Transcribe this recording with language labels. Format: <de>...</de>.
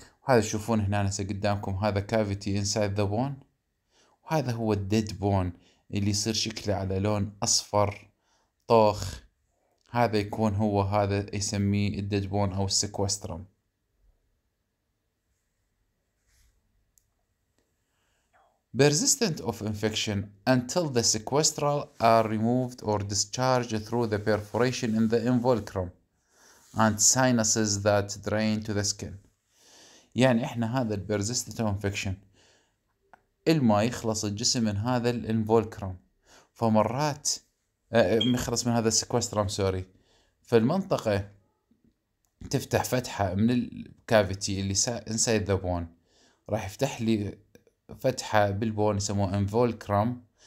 <ar>وهذا تشوفون هنا هسه قدامكم, هذا</ar> <en>cavity inside the bone,</en> <ar>وهذا هو الديد بون اللي يصير شكله على لون اصفر طوخ. هذا يكون هو هذا يسميه الديد بون او السيكوستروم.</ar> <en>persistent of infection until the sequestral are removed or discharged through the perforation in the involucrum and sinuses that drain to the skin.</en> <ar>يعني احنا هذا ال</ar> <en>persistent of infection</en> <ar>الماء يخلص الجسم من هذا الانفولكروم, فمرات يخلص من هذا السيكوستروم سوري, فالمنطقة تفتح فتحة من الكافيتي اللي</ar> <en>inside the bone,</en> <ar>راح يفتح لي فتحة بالبون يسموها انفولكروم.</ar>